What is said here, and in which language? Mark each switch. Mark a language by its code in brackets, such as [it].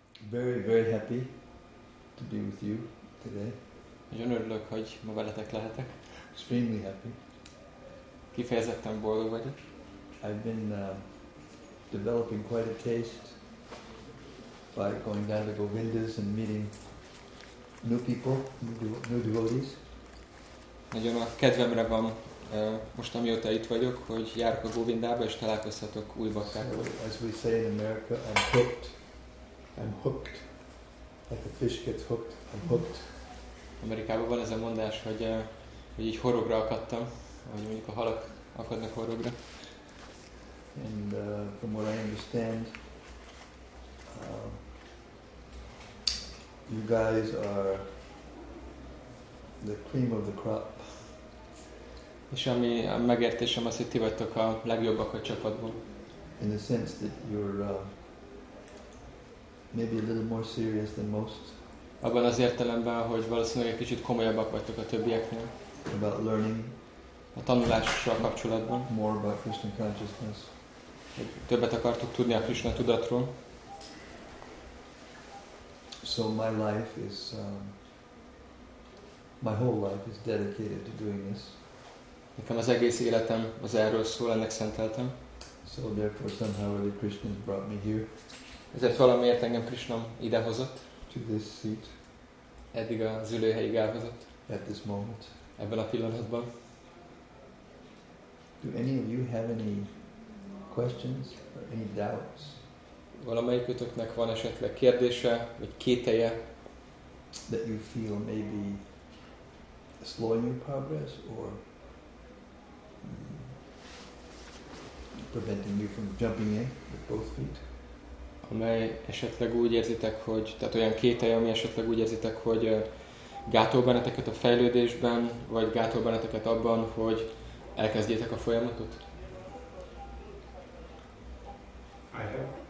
[en] Very, very happy to be with you today. [hu] Nagyon örülök, hogy ma veletek lehetek. [en] Extremely happy. [hu] Kifejezetten boldog vagyok. [en] I've been developing quite a taste by going down to Govindas and meeting new people, new devotees. [hu] Nagyon a kedvemre van most, amióta itt vagyok, hogy járok a Govindába és találkozhatok új baktákkal. [en] So, as we say in America, I'm hooked. I'm hooked. Like a fish gets hooked. I'm hooked. [hu] Amerikában van ez a mondás, hogy hogy így horogra akadtam, vagy mondjuk a halak akadnak horogra. [en] And from what I understand, you guys are the cream of the crop. [hu] És ami a megértésem az, hogy ti vagytok a legjobbak a csapatból. [en] In the sense that you're maybe a little more serious than most. [hu] Abban az értelemben, hogy valószínűleg egy kicsit komolyabbak vagytok a többieknél. [en] About learning. [hu] A tanulással kapcsolatban. [en] More about Krishna consciousness. [hu] Többet akartok tudni a Krishna tudatról. [en] So my life is my whole life is dedicated to doing this. [hu] Nekem az egész életem az erről szól, ennek szenteltem. [en] So therefore somehow really Krishna brought me here. [hu] Ezért valamiért engem Krishna idehozott. [en] To this seat. [hu] Eddig az ülőhelyig elhozott. [en] At this moment. [hu] Ebben a pillanatban. [en] Do any of you have any questions or any doubts? [hu] Valamelyikötöknek van esetleg kérdése, vagy kételje? [en] That you feel maybe slowing your progress or preventing you from jumping in with both feet? [hu] Amely esetleg úgy érzitek, hogy, tehát olyan kételje, ami esetleg úgy érzitek, hogy gátol benneteket a fejlődésben, vagy gátol benneteket abban, hogy elkezdjétek a folyamatot? [en] I have.